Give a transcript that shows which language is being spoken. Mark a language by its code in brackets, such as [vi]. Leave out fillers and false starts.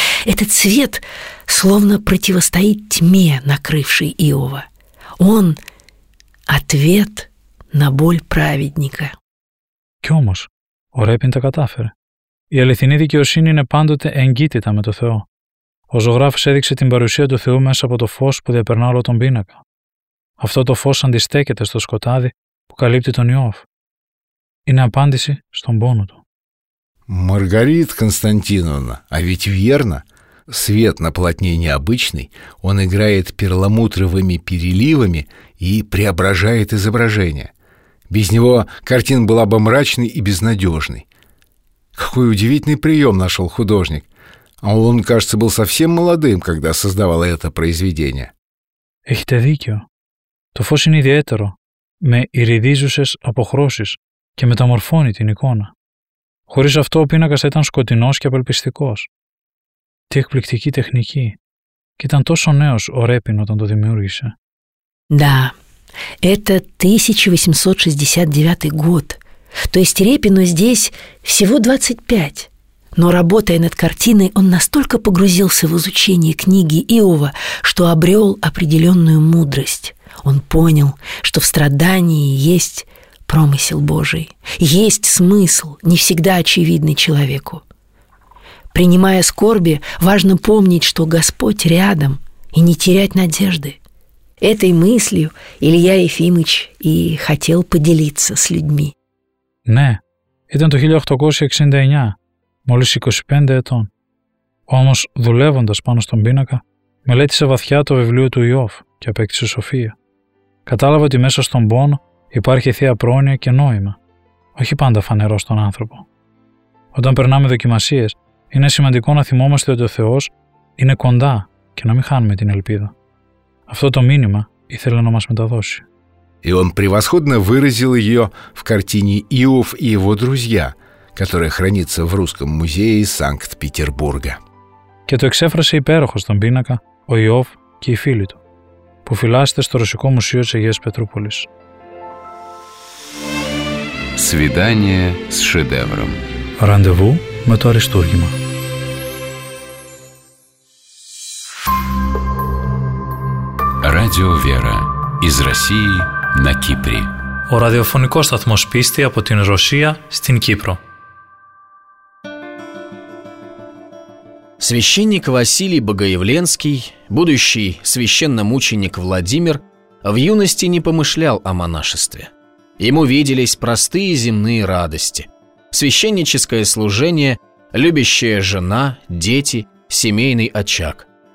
[ru] Этот свет словно противостоит тьме, накрывшей Иова. Он – ответ на боль праведника. [el] Кё мож, о Рэпин та катафер. Η αληθινή δικαιοσύνη είναι πάντοτε εγκύτητα με το Θεό. Ο ζωγράφος έδειξε την παρουσία του Θεού μέσα από το φως που διαπερνά όλο τον πίνακα. Αυτό το φως αντιστέκεται στο σκοτάδι που καλύπτει τον Ιώβ. Είναι απάντηση στον πόνο του. [ru] Маргарит Константиновна, а ведь верно. Свет на полотне необычный, он играет перламутровыми переливами и преображает изображение. Без него картина была бы мрачной и безнадежной. Какой удивительный прием нашел художник. А он, кажется, был совсем молодым, когда создавал это произведение. [el] Έχετε δίκιο. Το φως είναι ιδιαίτερο, με ειρηδίζουσες αποχρώσεις και μεταμορφώνει την εικόνα. Χωρίς αυτό ο πίνακας θα ήταν σκοτεινός και απελπιστικός. Τι εκπληκτική τεχνική. Και ήταν τόσο νέος ο Ρέπιν όταν το δημιούργησε. [ru] Да, это 1869 год. То есть Репину здесь всего 25. Но работая над картиной, он настолько погрузился в изучение книги Иова, что обрел определенную мудрость. Он понял, что в страдании есть промысел Божий, есть смысл, не всегда очевидный человеку. Принимая скорби, важно помнить, что Господь рядом, и не терять надежды. Этой мыслью Илья Ефимович и хотел поделиться с людьми. [el] Ναι, ήταν το 1869, μόλις 25 ετών. Όμως, δουλεύοντας πάνω στον πίνακα, μελέτησε βαθιά το βιβλίο του Ιώβ και απέκτησε σοφία. Κατάλαβε ότι μέσα στον πόνο υπάρχει θεία πρόνοια και νόημα, όχι πάντα φανερό στον άνθρωπο. Όταν περνάμε δοκιμασίες, είναι σημαντικό να θυμόμαστε ότι ο Θεός είναι κοντά και να μην χάνουμε την ελπίδα. Αυτό το μήνυμα ήθελε να μας μεταδώσει. [ru] И он превосходно выразил ее в картине «Иов и его друзья», которая хранится в Русском музее Санкт-Петербурга. [el] Και το εξέφρασε υπέροχο στον πίνακα ο Ιώβ και οι φίλοι του, που φυλάσσεται στο Ρωσικό Μουσείο της Αγίας Πετρούπολης. [ru] Свидание с шедевром. [el] Ραντεβού με το Αριστούργημα. [ru] Радио Вера. Из России на Кипре. [el] Ο ραδιοφωνικός σταθμός πίστη από την Ρωσία στην Κύπρο. [ru] Священник Василий Богоявленский, будущий священномученик Владимир, в юности не помышлял о монашестве. Ему виделись простые земные радости. Священническое служение, любящая жена, дети, семейный очаг.